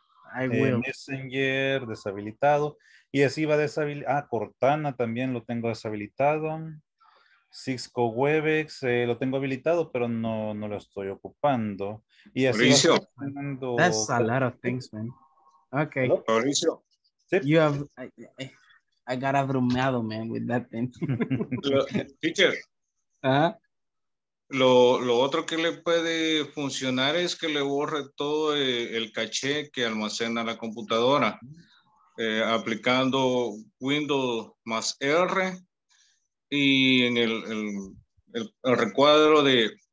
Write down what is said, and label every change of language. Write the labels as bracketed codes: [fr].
[es] Messenger deshabilitado y así va deshabilitado. Cortana también lo tengo deshabilitado. Cisco Webex lo tengo habilitado, pero no lo estoy ocupando. Y así Mauricio, [en] that's a lot of things, man. Okay. Hello? Mauricio, you have I got abrumado, man, with that thing. Teacher. ¿Ah? [es] Lo otro que le puede funcionar es que le borre todo el caché que almacena la computadora, aplicando Windows más R y en el recuadro de